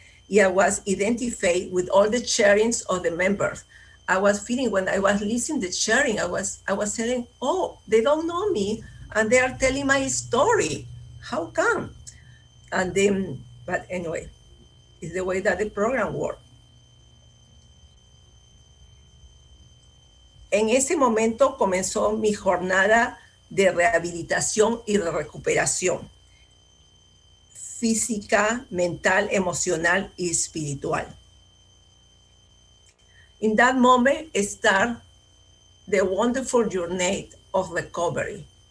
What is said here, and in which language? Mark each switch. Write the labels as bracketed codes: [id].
[en] I was identified with all the sharings of the members. I was feeling when I was listening to the sharing, I was saying, oh, they don't know me and they are telling my story. How come? But anyway, it's the way that the program works. [es] En ese momento comenzó mi jornada de rehabilitación y de recuperación física, mental, emocional y espiritual. [en] In that moment, start the wonderful journey of recovery.